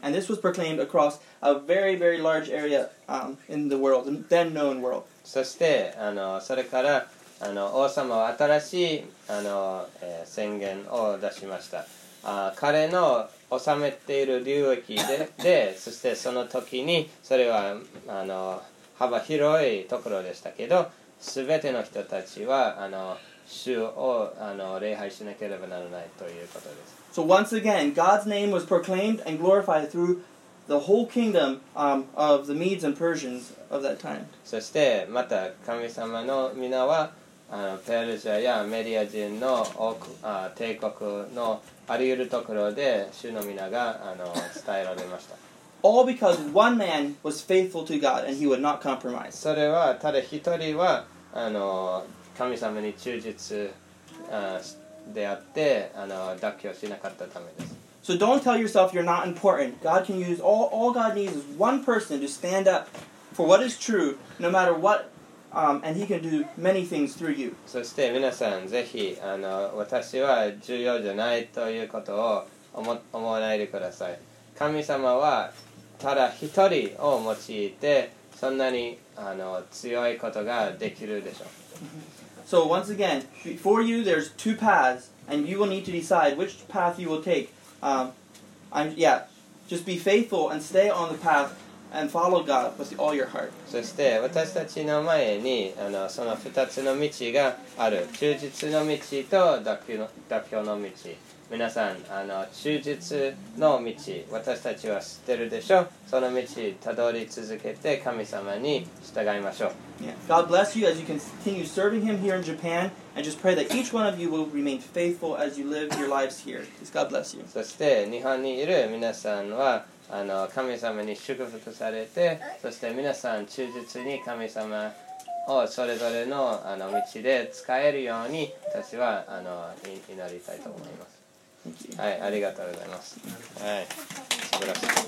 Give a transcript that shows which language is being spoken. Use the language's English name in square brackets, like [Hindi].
[English] And this was proclaimed across a very, very large area in the world, the then known world. [Japanese] そしてそれから王様は新しい宣言を出しました。彼の治めている領域 で、そしてその時にそれは幅広いところでしたけど、すべての人たちは主を礼拝しなければならないということです。 [English] So once again, God's name was proclaimed and glorified through the whole kingdom of the Medes and Persians of that time. [Japanese] そしてまた神様の皆はペルシャやメディア人の帝国のありゆるところで主の皆が伝えられました。 [English] All because one man was faithful to God and he would not compromise. [Japanese] それはただ一人は神様に忠実であって妥協しなかったためです。 [English] So don't tell yourself you're not important. God can use all God needs is one person to stand up for what is true, no matter what. And he can do many things through you. [Japanese] そして皆さん、ぜひ私は重要じゃないということを思わないでください。神様はただ一人を用いて、そんなに強いことができるでしょう。 [English] So once again, before you there's two paths, and you will need to decide which path you will take. Just be faithful and stay on the path. And follow God with all your heart. [Japanese] そして私たちの前にその二つの道がある。忠実の道と妥協の道。皆さん忠実の道、私たちは知ってるでしょう。その道たどり続けて神様に従いましょう。 [English] God bless you as you continue serving him here in Japan and just pray that each one of you will remain faithful as you live your lives here. God bless you. [Japanese] そして日本にいる皆さんは神様に祝福されて、そして皆さん忠実に神様をそれぞれ の道で使えるように私は祈りたいと思います。はい、ありがとうございます。はい、素晴らしい。